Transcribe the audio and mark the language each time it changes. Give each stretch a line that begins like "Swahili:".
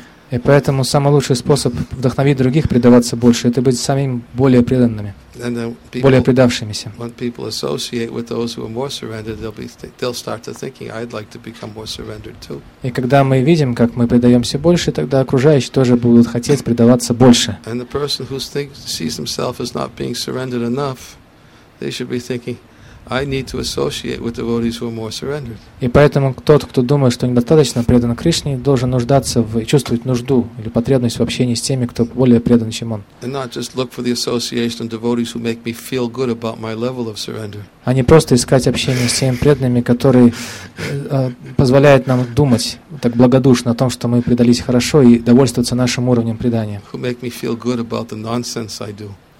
Russian: И поэтому самый лучший способ вдохновить других предаваться больше — это быть самим более преданными, более предавшимися.
English: When people associate with those who are more surrendered, they'll start to thinking, I'd like to become more surrendered too.
Russian: И когда мы видим, как мы предаемся больше, тогда окружающие тоже будут хотеть предаваться больше.
English: And the person who sees himself as not being surrendered enough, they should be thinking, I need to associate with devotees who are more surrendered.
Russian: И поэтому тот, кто думает, что недостаточно предан Кришне, должен нуждаться в чувствовать нужду или потребность в общении с теми, кто более предан, чем он.
English: And not just look for the association of devotees who make me feel good about my level of surrender.
Russian: А не просто искать общение с теми преданными, которые позволяют нам думать так благодушно о том, что мы предались хорошо и довольствоваться нашим уровнем предания.
English: Who make me feel good about the nonsense I do.